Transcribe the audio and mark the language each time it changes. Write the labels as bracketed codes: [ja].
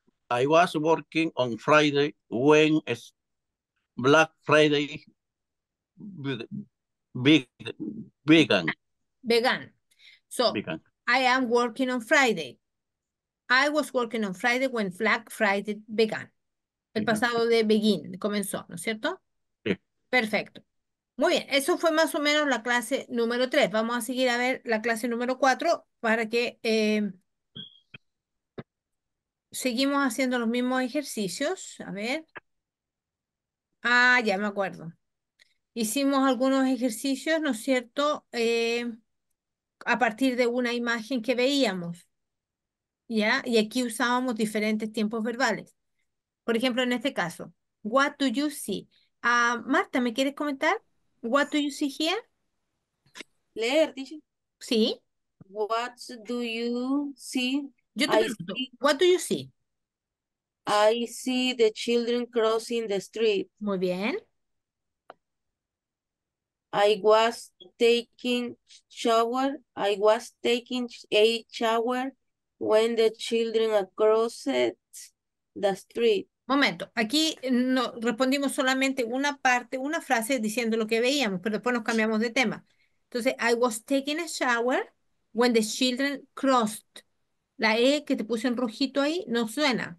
[en] I was working on Friday when Black Friday began. Began. So, Began. I am working on Friday. I was working on Friday when Black Friday began. [es] El pasado de begin, comenzó, ¿no es cierto? Perfecto. Muy bien, eso fue más o menos la clase número 3. Vamos a seguir a ver la clase número 4 para que seguimos haciendo los mismos ejercicios. A ver. Ah, ya me acuerdo. Hicimos algunos ejercicios, ¿no es cierto? A partir de una imagen que veíamos, ¿ya? Y aquí usábamos diferentes tiempos verbales. Por ejemplo, en este caso, [en] what do you see? [es] Marta, ¿me quieres comentar? [en] What do you see here? [es] Leer, dice. Sí. [en] What do you see? I [es] Yo te pregunto, [en] what do you see? see the children crossing the street. [es] Muy bien. [en] I was taking a shower when the children crossed the street. [es] Momento, aquí no respondimos solamente una parte, una frase diciendo lo que veíamos, pero después nos cambiamos de tema. [en] Entonces, I was taking a shower when the children crossed. [es] La E que te puse en rojito ahí no suena.